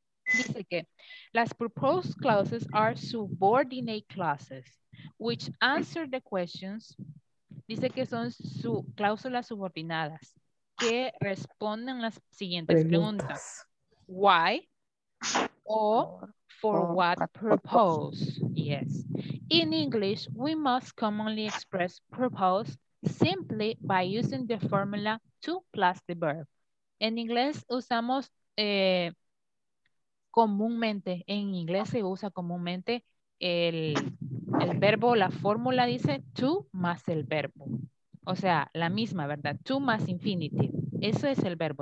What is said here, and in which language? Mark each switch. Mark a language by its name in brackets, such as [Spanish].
[Spanish] Dice que las [English] proposed clauses are subordinate clauses, which answer the questions. [Spanish] Dice que son cláusulas subordinadas que responden las siguientes preguntas. [English] Why o for what purpose? Yes. In English, we most commonly express purpose simply by using the formula to plus the verb. [Spanish] En inglés usamos comúnmente, en inglés se usa comúnmente el verbo, la fórmula dice to más el verbo. O sea, la misma, ¿verdad? To más infinitive. Eso es el verbo.